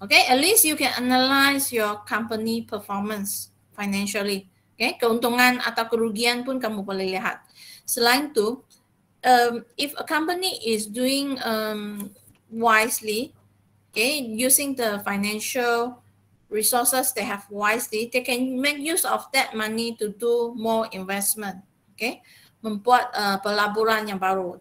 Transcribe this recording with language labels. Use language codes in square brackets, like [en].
[en] Okay, at least you can analyze your company performance financially. [ms] Okay, keuntungan atau kerugian pun kamu boleh lihat. [en] Selain itu, if a company is doing wisely, okay, using the financial resources they have wisely, they can make use of that money to do more investment. [ms] Okay, membuat pelaburan yang baru.